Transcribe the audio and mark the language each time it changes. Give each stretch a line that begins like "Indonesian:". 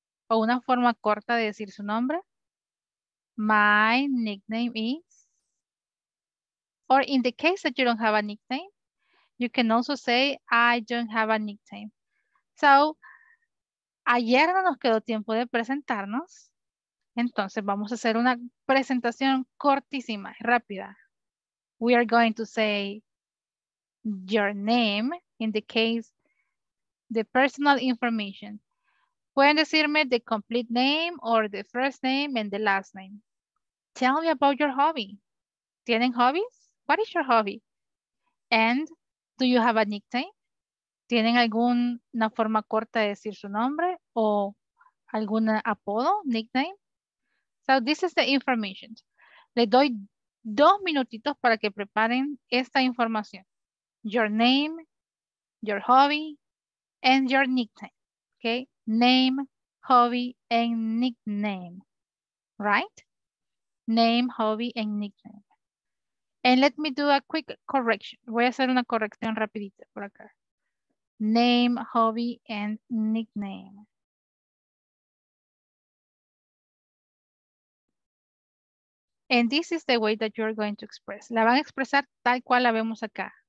Spanish: ¿O una forma corta de decir su nombre?
English: My nickname is. Or in the case that you don't have a nickname, you can also say, I don't have a nickname.
Spanish: So, ayer no nos quedó tiempo de presentarnos. Entonces vamos a hacer una presentación cortísima, rápida.
English: We are going to say your name in the case. The personal information. Pueden decirme the complete name or the first name and the last name. Tell me about your hobby. ¿Tienen hobbies? What is your hobby? And do you have a nickname?
Spanish: ¿Tienen alguna forma corta de decir su nombre?
English: ¿O algún apodo, nickname? So this is the information.
Spanish: Le doy dos minutitos para que preparen esta información.
English: Your name, your hobby, and your nickname, okay? Name, hobby, and nickname, right? Name, hobby, and nickname. And let me do a quick correction.
Spanish: Voy a hacer una corrección rapidita por acá.
English: Name, hobby, and nickname. And this is the way that you're going to express.
Spanish: La van a expresar tal cual la vemos acá.